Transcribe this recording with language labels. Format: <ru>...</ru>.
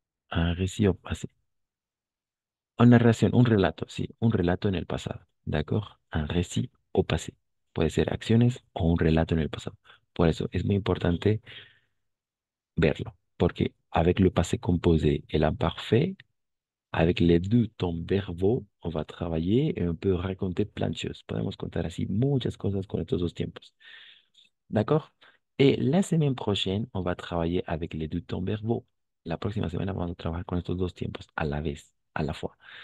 <fr>Un récit au passé.</fr> <es>Una narración, un relato, sí, un relato en el pasado. ¿D'accord?</es> <fr>Un récit au passé.</fr> <es>Puede ser acciones o un relato en el pasado. Por eso es muy importante verlo.</es> <fr>Porque avec le passé composé et l'imparfait, avec les deux temps verbaux, on va travailler et on peut raconter plein de choses.</fr> <es>Podemos contar así muchas cosas con estos dos tiempos.</es> <fr>¿D'accord? Et la semaine prochaine, on va travailler avec les deux temps verbaux.</fr> <es>La próxima semana vamos a trabajar con estos dos tiempos a la vez, a la fois.</es>